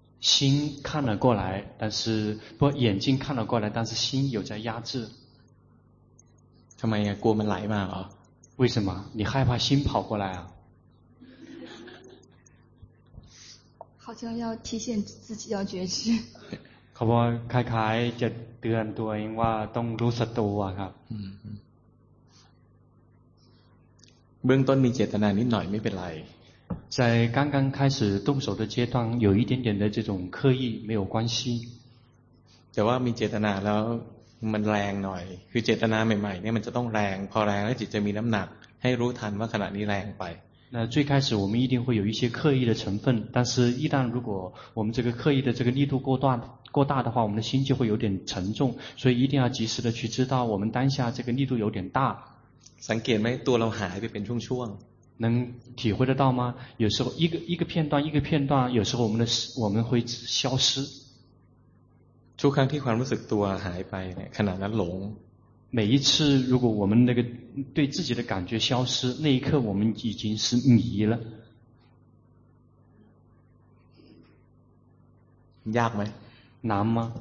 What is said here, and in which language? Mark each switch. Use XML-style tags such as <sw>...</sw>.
<zh>心看了过来但是不眼睛看了过来但是心有在压制</zh> <th>ทำไมกลัวมันไหลมาเหร</th> <zh>อ为什么你害怕心跑过来啊好像要提现自己要觉知</zh> <th>เขาบอกคล้ายๆจะเตือนตัวเองว่าต้องรู้สตูอะครับ เบื้องต้นมีเจตนานิดหน่อยไม่เป็นไร</th> <zh>在刚刚开始动手的阶段有一点点的这种刻意没有关系</zh> <th>แต่ว่ามีเจตนาแล้วมันแรงหน่อยคือเจตนาใหม่ๆเนี่ยมันจะต้องแรงพอแรงแล้วจิตจะมีน้ำหนักให้รู้ทันว่าขณะนี้แรงไป</th> <zh>那最开始我们一定会有一些刻意的成分但是一旦如果我们这个刻意的这个力度过大的话我们的心就会有点沉重所以一定要及时的去知道我们当下这个力度有点大</zh> <th>สังเกตไหมตัวเราหายไปเป็นช่วง</th> <zh>能体会得到吗？有时候一个片段一个片段，有时候我们会消失。</zh> <th>ทุกครั้งที่ความรู้สึกตัวหายไปเนี่ยขณะนั้นหลง</th> <zh>每一次如果我们那个对自己的感觉消失，那一刻我们已经是迷了。</zh> <th>ยากไหม？</th> <zh>难吗？</zh>